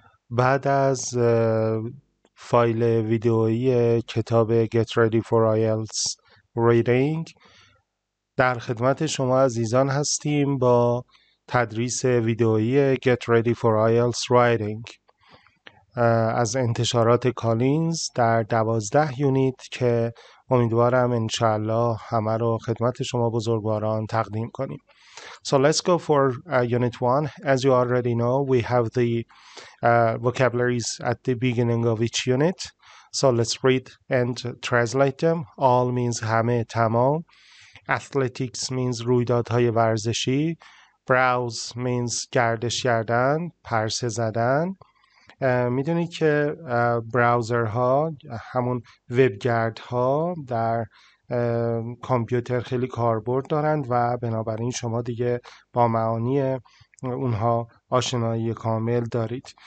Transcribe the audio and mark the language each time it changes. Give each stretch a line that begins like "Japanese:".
Persian: بعد از فایل ویدئویی کتاب Get Ready for IELTS Reading در خدمت شما عزیزان هستیم با تدریس ویدئویی Get Ready for IELTS Writing از انتشارات کالینز در 12 یونیت که امیدوارم انشاءالله همه رو خدمت شما بزرگواران تقدیم کنیم.
English: So let's go for unit 1. As you already know, we have the vocabularies at the beginning of each unit. So let's read and translate them. All means همه، تمام.
Persian: Athletics means رویدادهای ورزشی. Browse means گردش کردن، پرسه زدن. میدونی که براوزرها همون وبگردها در کامپیوتر خیلی کاربرد دارند و بنابراین شما دیگه با معانی اونها آشنایی کامل دارید.